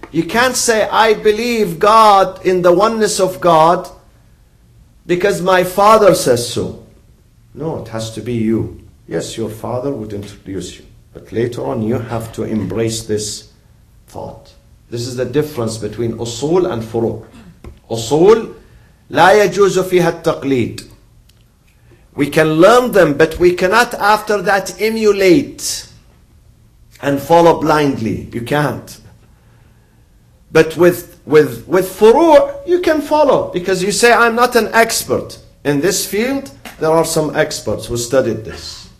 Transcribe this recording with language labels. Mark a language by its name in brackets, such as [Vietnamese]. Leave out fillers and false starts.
[English] You can't say, I believe God in the oneness of God because my father says so. No, it has to be you. Yes, your father would introduce you. But later on, you have to embrace this thought. This is the difference between usul and furu'. [Arabic] Usul, لا يجوز فيها التقليد. [English] We can learn them, but we cannot after that emulate and follow blindly. You can't. But with furu', you can follow. Because you say, I'm not an expert. In this field, there are some experts who studied this.